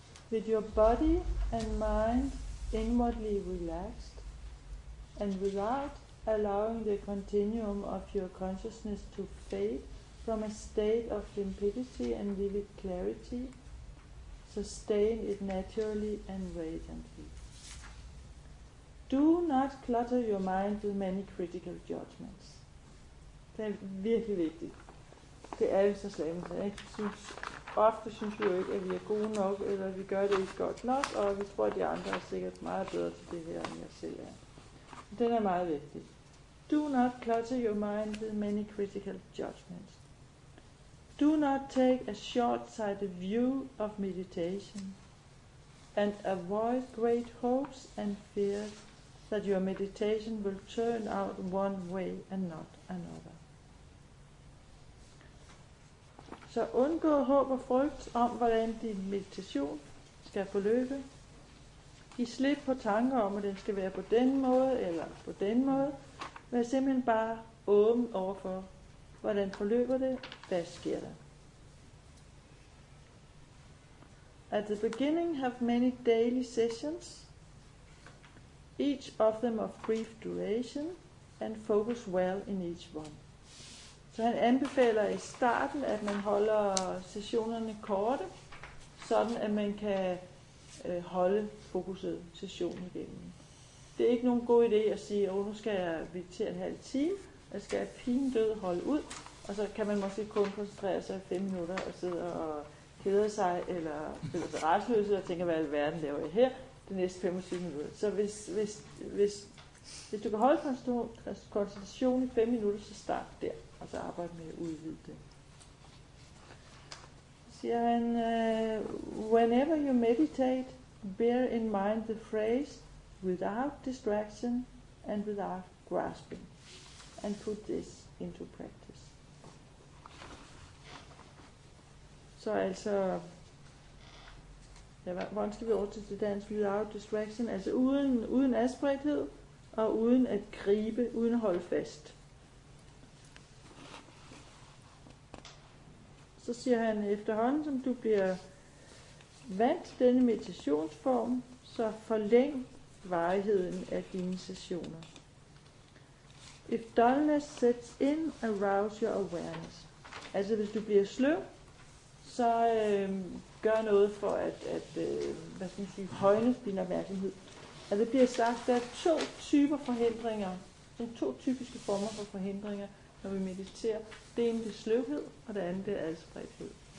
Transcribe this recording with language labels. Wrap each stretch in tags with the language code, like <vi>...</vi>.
<en>With your body and mind inwardly relaxed, and without allowing the continuum of your consciousness to fade from a state of limpidity and vivid clarity, sustain it naturally and radiantly. Do not clutter your mind with many critical judgments.</en> <da>Det er virkelig vigtigt. Det er vi så slemme til, ikke? Ofte synes vi jo ikke, at vi er gode nok, eller at vi gør det ikke godt nok, og vi tror, at de andre er sikkert meget bedre til det her, end jeg selv er. Den er meget vigtig.</da> <en>Do not clutter your mind with many critical judgments. Do not take a short-sighted view of meditation, and avoid great hopes and fears that your meditation will turn out one way and not another.</en> <da>Så undgå håb og frygt om, hvordan din meditation skal forløbe. Giv slip på tanker om, at den skal være på den måde eller på den måde. Vær simpelthen bare åben overfor, hvordan forløber det, hvad sker der.</da> <en>At the beginning have many daily sessions, each of them of brief duration, and focus well in each one.</en> <da>Så han anbefaler i starten, at man holder sessionerne korte, sådan at man kan holde fokuset sessionen igennem. Det er ikke nogen god idé at sige, at nu skal jeg meditere en halv time, jeg skal pinedød holde ud, og så kan man måske kun koncentrere sig i 5 minutter og sidde og kede sig, eller føle sig retsløs og tænke, hvad i verden laver jeg her de næste 25 minutter. Så hvis du kan holde koncentration i 5 minutter, så start der. Og så arbejde med at udvide det. Siger han,</da> <en>whenever you meditate, bear in mind the phrase without distraction and without grasping. And put this into practice.</en> <da>Så altså, hvordan skal vi over til det dansk,</da> <en>without distraction,</en> <da>altså uden adspredthed og uden at gribe, uden at holde fast. Så siger han, efterhånden som du bliver vant til denne meditationsform, så forlæng varigheden af dine sessioner.</da> <en>If dullness sets in, arouse your awareness.</en> <da>Altså hvis du bliver sløv, så gør noget for at hvad skal man sige, højne din opmærksomhed. at det bliver sagt, der er to typer forhindringer, som to typiske former for forhindringer, når vi mediterer. Det ene er sløvhed, og det andet er adspredthed.</da>